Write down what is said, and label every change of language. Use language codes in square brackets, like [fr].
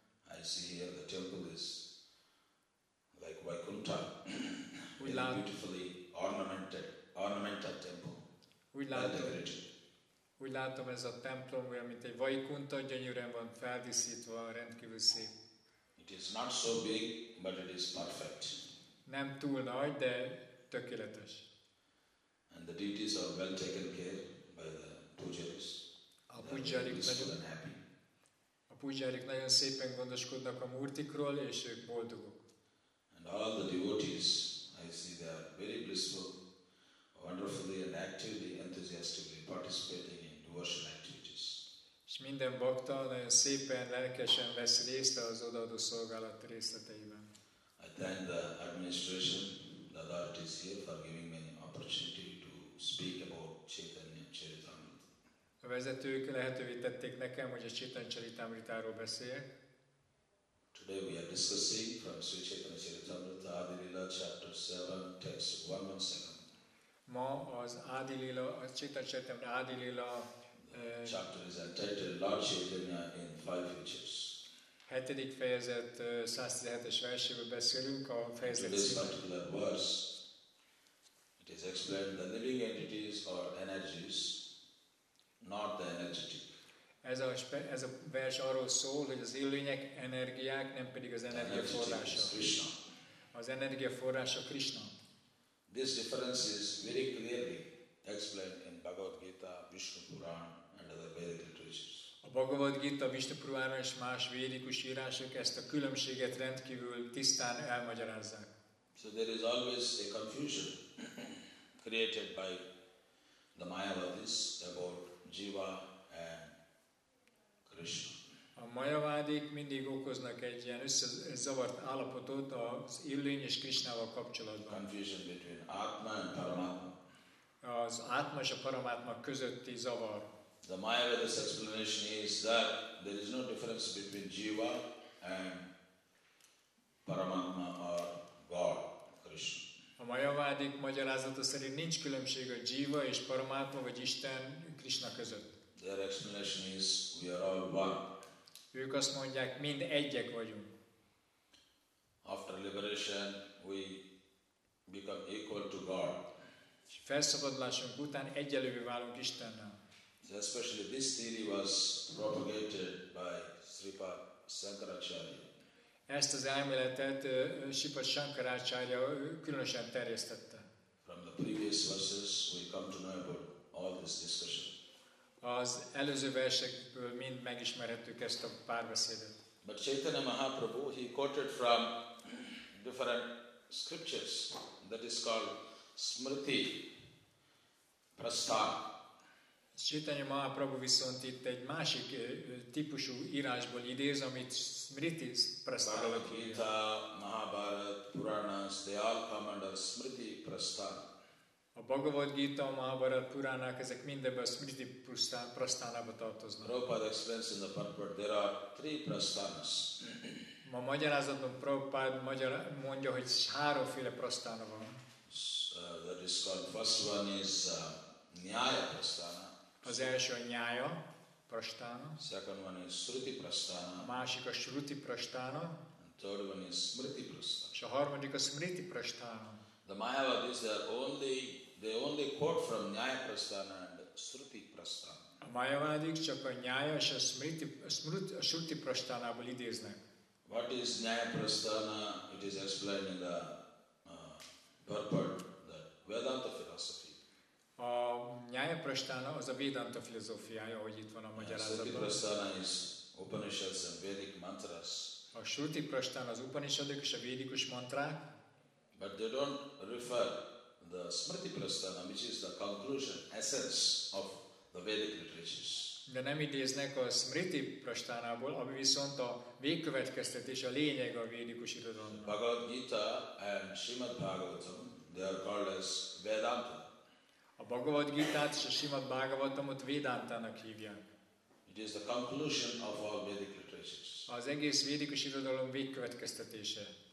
[en] I see here the temple is like Vaikuntha, beautifully ornamental temple. [hu] Úgy látom, ez a templom olyan, mint egy Vaikuntha, gyönyörűen van feldíszítva, rendkívül szép. [en] It is not so big, but it is perfect. [hu] Nem túl nagy, de tökéletes. [en] And the deities are well taken care by the pujaris. [hu] A pujarik nagyon happy. A pujarik nagyon szépen gondoskodnak a murtikról, és ők boldogok. [en] And all the devotees, I see they are very blissful. Wonderfully and actively, enthusiastically participating in devotional activities. [hu] És minden bhakta nagyon szépen, lelkesen vesz részt az odaadó szolgálat részleteiben. [en] I thank the administration, the authorities here for giving me an opportunity to speak about Chaitanya Charitamrita. [hu] A vezetők lehetővé tették nekem, hogy a Chaitanya Charitamritáról beszéljek. [en] Today we are discussing from Sri Chaitanya Charitamrita, Adi Lila, chapter 7, text 117. [hu] Ma az Adi Lila, a Chaitanya Charitamrita Adi Lila [en] chapter is entitled Lord Chaitanya in Five Features. [hu] Hetedik fejezet 117-es versében beszélünk a fejezet. [en] In this particular verse, it is explained the living entities or energies, not the energetic. [hu] Ez a vers arról szól, hogy az élőlények energiák, nem pedig az energiaforrása. Az energiaforrása Krishna. [en] This difference is very clearly explained in Bhagavad Gita, Vishnu Puran and other Vedic literatures. [hu] A Bhagavad Gita, Vishnu Purana és más védikus írások ezt a különbséget rendkívül tisztán elmagyarázzák. [en] So there is always a confusion created by the Mayavadis about Jiva and Krishna. [hu] A Mayavadik mindig okoznak egy ilyen összezavart állapotot az illény és Krishnával kapcsolatban. [en] Confusion between Atma and Paramatma. [hu] Az Atma és a Paramatma közötti zavar. [en] The Mayavada's explanation is that there is no difference between Jiva and Paramatma or God, Krishna. [hu] A Mayavadik magyarázata szerint nincs különbség a Jiva és Paramatma, vagy Isten Krishna között. [en] Their explanation is we are all one. [hu] Ők azt mondják, mind egyek vagyunk. [en] After liberation, we become equal to God. [hu] És felszabadulásunk után egyenlővé válunk Istennel. [en] So especially this theory was propagated by Sripad Shankaracharya. [hu] Ezt az elméletet Sripad Shankaracharya különösen terjesztette. [en] From the previous verses, we come to know about all this discussion. [hu] Az előző versekből mind megismerhettük ezt a párbeszédet. [en] But Chaitanya Mahaprabhu, he quoted from different scriptures that is called Smriti Prasthan. [hu] Chaitanya Mahaprabhu viszont itt egy másik típusú írásból idéz, amit Smriti Prasthan. [en] Bhagavad Gita, Mahabharat, Puranas, they all come under Smriti Prasthan. [hu] A Bhagavad Gita, a Mahabharat, Puranák, ezek mindebben a Smriti Prasthanába tartoznak. [en] Prabhupada explains in the purport, there are three prasthanas. [hu] Ma magyarázatban Prabhupada magyar mondja, hogy háromféle prasthana van. [en] That is called, first one is Nyaya prasthana. [hu] Az első a Nyaya prasthana. [en] Second one is Shruti prasthana. [hu] A másik a Shruti prasthana. [en] And third one is Smriti prasthana. [hu] És a harmadik a Smriti prasthana. [en] The Mayavadis they only quote from Nyaya Prasthana and Shruti Prasthana. [hu] A Mayavadik csak a Nyaya és a Shruti Prasthanából idéznek. [en] What is Nyaya Prasthana? It is explained in the purport, the Vedanta philosophy. [hu] A Nyaya Prasthana az a Vedanta filozófiája, ahogy itt van a magyarázatban. [en] Shruti Prasthana is Upanishads and Vedic mantras. [hu] A Shruti Prasthana az Upanishadok és a Védikus mantrák. [en] But they don't refer the Smriti Prasthana, which is the conclusion, essence of the Vedic literatures. [hu] De nem idéznek a Smriti Prasthanából, ami viszont a végkövetkeztetés, a lényeg a védikus irodalomnak. [en] Bhagavad Gita and Srimad Bhagavatam, they are called as Vedanta. [hu] A Bhagavad Gita-t és a Srimad Bhagavatamot Vedantának hívják. [en] It is the conclusion of all Vedic literatures. [hu] Az egész védikus irodalom végkövetkeztetése.